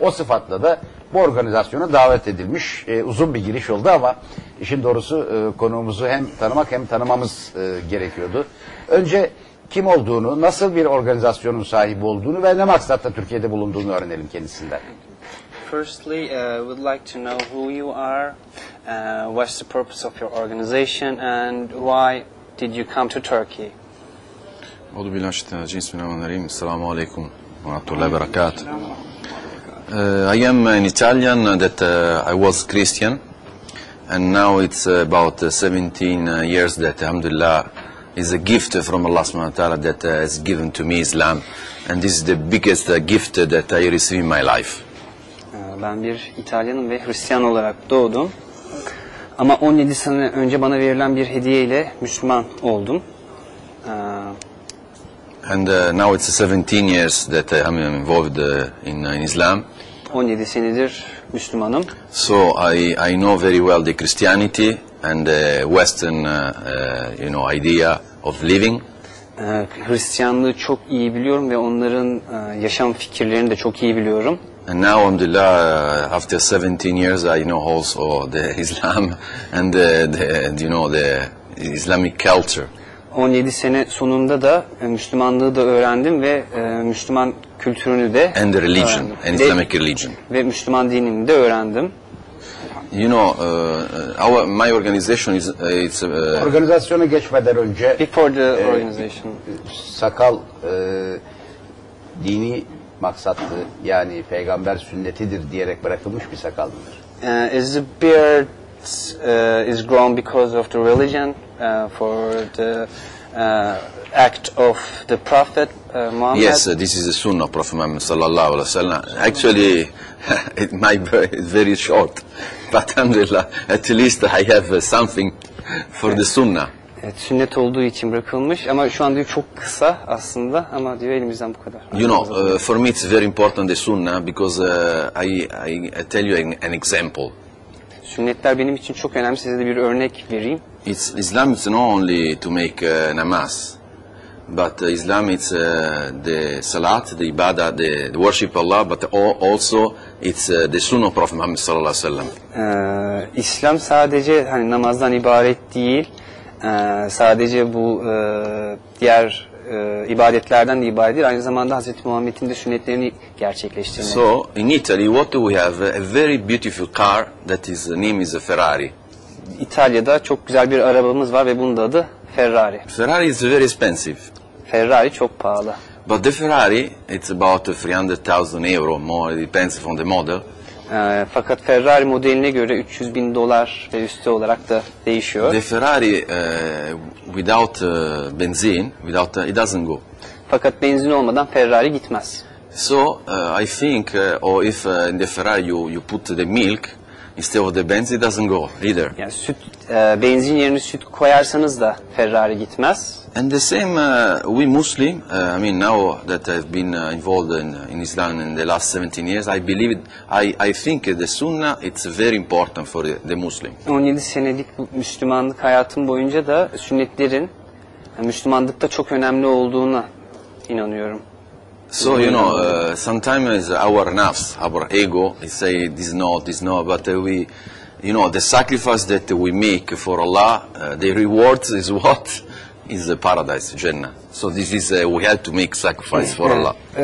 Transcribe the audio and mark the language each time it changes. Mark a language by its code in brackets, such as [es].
[tr] O sıfatla da bu organizasyona davet edilmiş. Uzun bir giriş oldu ama işin doğrusu konuğumuzu hem tanımak hem tanımamız gerekiyordu. Önce kim olduğunu, nasıl bir organizasyonun sahibi olduğunu ve ne maksatla Türkiye'de bulunduğunu öğrenelim kendisinden. [en] Firstly, would like to know who you are, what's the purpose of your organization and why did you come to Turkey? [ar] أعوذ بالله من الشيطان الرجيم السلام عليكم ورحمه الله وبركاته [en] I am an Italian that I was Christian and now it's about 17 years that alhamdulillah is a gift from Allah subhanahu wa ta'ala that has given to me Islam and this is the biggest gift that I received in my life [tr] Ben bir İtalyanım ve Hristiyan olarak doğdum ama 17 sene önce bana verilen bir hediyeyle Müslüman oldum [en] And now it's 17 years that I'm involved in Islam. [tr] 17 senedir Müslümanım. [en] So I know very well the Christianity and the Western you know idea of living. [tr] Hristiyanlığı çok iyi biliyorum ve onların yaşam fikirlerini de çok iyi biliyorum. [en] And now alhamdulillah after 17 years I know also the Islam and the you know the Islamic culture. [tr] 17 sene sonunda da Müslümanlığı da öğrendim ve Müslüman kültürünü de [en] and the religion, and Islamic religion. [tr] Ve Müslüman dinini de öğrendim. [en] You know, our my organization is it's. [tr] Organizasyona geçmeden önce. [en] Before the organization. [tr] Sakal dini maksatlı yani peygamber sünnetidir diyerek bırakılmış bir sakal mıdır? [en] Is the beard is grown because of the religion for the act of the Prophet Muhammad? Yes, this is the Sunnah of Prophet Muhammad sallallahu alaihi wasallam. Actually, it might be very short, but alhamdulillah, at least I have something for the Sunnah. [tr] Evet, sünnet olduğu için bırakılmış ama şu an diyor çok kısa aslında ama diyor elimizden bu kadar. [en] You know, for me it's very important the Sunnah because I tell you an example. [tr] Sünnetler benim için çok önemli. Size de bir örnek vereyim. [en] It's Islam is not only to make namaz, but Islam it's the salat, the ibadah, the worship Allah, but also it's the Sunnah of Prophet Muhammad sallallahu aleyhi ve sellem. [tr] İslam sadece hani namazdan ibaret değil. Sadece bu diğer ibadetlerden de ibaret değil. Aynı zamanda Hazreti Muhammed'in de sünnetlerini gerçekleştirmek. [en] So in Italy what do we have? A very beautiful car that is name is a Ferrari. [tr] İtalya'da çok güzel bir arabamız var ve bunun da adı Ferrari. [en] Ferrari is very expensive. [tr] Ferrari çok pahalı. [en] But the Ferrari it's about 300,000 euro more, it depends on the model. [tr] Fakat Ferrari modeline göre 300 bin dolar ve üstü olarak da değişiyor. [en] The Ferrari without benzin, without it doesn't go. [tr] Fakat benzin olmadan Ferrari gitmez. [en] So I think, or if in the Ferrari you put the milk instead of the benzin, it doesn't go either. [tr] Yani süt, benzin yerine süt koyarsanız da Ferrari gitmez. [en] And the same we Muslim, I mean now that I've been involved in Islam in the last 17 years, I believe, I think the Sunnah it's very important for the Muslim. [tr] 17 senelik Müslümanlık hayatım boyunca da sünnetlerin Müslümanlıkta çok önemli olduğuna inanıyorum. [en] So you know, sometimes our nafs, our ego, they say this no, this no, but we, you know, the sacrifice that we make for Allah, the rewards is what? Is a paradise, Jannah. So this is we have to make sacrifice for Allah.